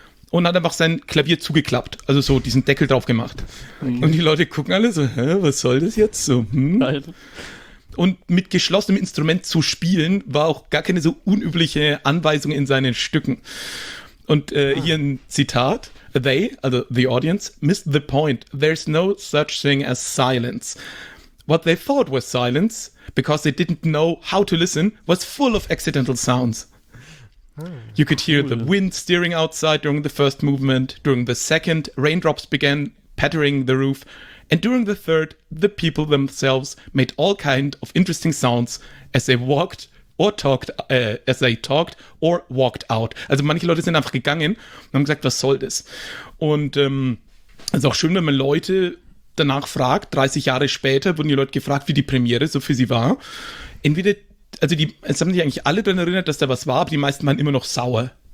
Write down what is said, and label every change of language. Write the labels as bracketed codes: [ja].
[de] Und hat einfach sein Klavier zugeklappt, also so diesen Deckel drauf gemacht. Okay. Und die Leute gucken alle so, was soll das jetzt so? Hm? Und mit geschlossenem Instrument zu spielen, war auch gar keine so unübliche Anweisung in seinen Stücken. Und hier ein Zitat, [en] they, also the audience, missed the point. There's no such thing as silence. What they thought was silence, because they didn't know how to listen, was full of accidental sounds. You could hear the wind stirring outside during the first movement. During the second, raindrops began pattering the roof. And during the third, the people themselves made all kind of interesting sounds as they walked or talked, as they talked or walked out. [de] Also manche Leute sind einfach gegangen und haben gesagt, was soll das? Und es ist auch schön, wenn man Leute danach fragt. 30 Jahre später wurden die Leute gefragt, wie die Premiere so für sie war. Entweder Also die, es haben sich eigentlich alle daran erinnert, dass da was war, aber die meisten waren immer noch sauer.